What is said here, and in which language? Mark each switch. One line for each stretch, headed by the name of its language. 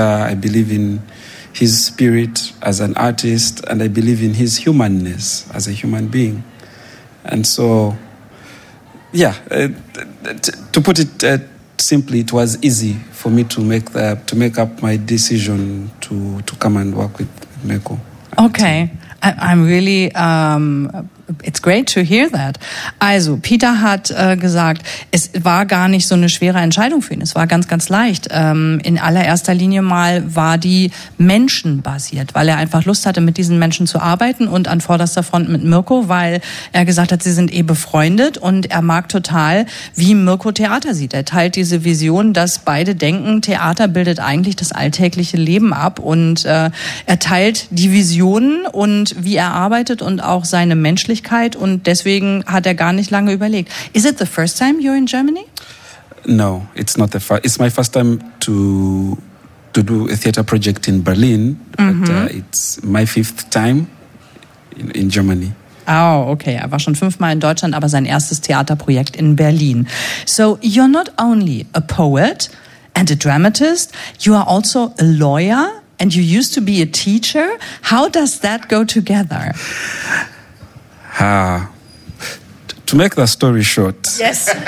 English: I believe in his spirit as an artist, and I believe in his humanness as a human being. And so, yeah, to put it simply, it was easy for me to make up my decision to come and work with Mirko. Okay. I'm really, it's great to hear that.
German: Also, Peter hat gesagt, es war gar nicht so eine schwere Entscheidung für ihn. Es war ganz, ganz leicht. In allererster Linie mal war die menschenbasiert, weil er einfach Lust hatte, mit diesen Menschen zu arbeiten und an vorderster Front mit Mirko, weil er gesagt hat, sie sind eh befreundet und er mag total, wie Mirko Theater sieht. Er teilt diese Vision, dass beide denken, Theater bildet eigentlich das alltägliche Leben ab und er teilt die Visionen und wie er arbeitet und auch seine Menschen. Und deswegen hat er gar nicht lange überlegt.
English: Is it the first time you're in Germany? No, it's not the first. It's my first time to do a theater project in Berlin. Mm-hmm. But it's my fifth time in Germany. Oh, okay.
German: Er war schon fünfmal in Deutschland, aber sein erstes Theaterprojekt in Berlin.
English: So you're not only a poet and a dramatist, you are also a lawyer and you used to be a teacher. How does that go together? To make the story short, yes.